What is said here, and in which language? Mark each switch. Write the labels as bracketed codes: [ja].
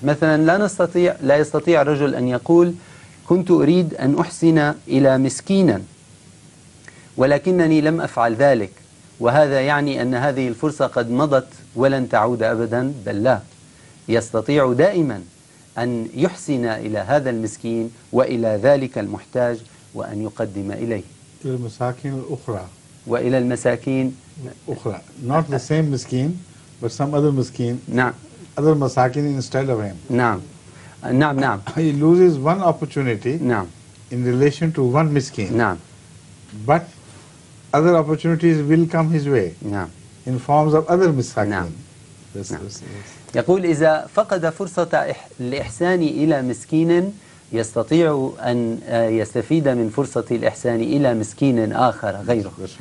[ar] مثلا لا يستطيع الرجل أن يقول: كنت أريد أن أحسن إلى مسكينا ولكنني لم أفعل ذلك، وهذا يعني أن هذه الفرصة قد مضت ولن تعود أبدا. بل لا، يستطيع دائما أن يحسن إلى هذا المسكين وإلى ذلك المحتاج وأن يقدم إليه. إلى المساكين الأخرى. وإلى المساكين أخرى. [en] Not the same مسكين but some other مسكين. [ar] نعم. [en] Other مساكين instead of him. [ar] نعم. نعم نعم. [en] He loses one opportunity. [ar] نعم. [en] In relation to one miskin. [ar] نعم. [en] But other opportunities will come his way. [ar] نعم. [en] In forms of other miskin. [ar] نعم. [en] This. [ar] يقول إذا فقد فرصة الإحسان إلى مسكين يستطيع أن يستفيد من فرصة الإحسان إلى مسكين آخر غيره.